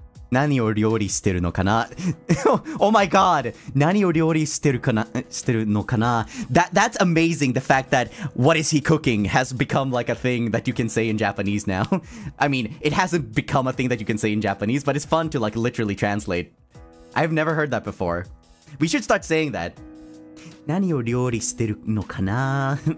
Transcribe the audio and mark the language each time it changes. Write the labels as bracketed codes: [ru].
[ja] 何を料理してるのかな。 [en] Oh my god! [ja] 何を料理してるかな、してるのかな。 [en] That's amazing, the fact that what is he cooking has become like a thing that you can say in Japanese now. I mean, it hasn't become a thing that you can say in Japanese, but it's fun to like literally translate. I've never heard that before. We should start saying that. [ja] 何を料理してるのかな。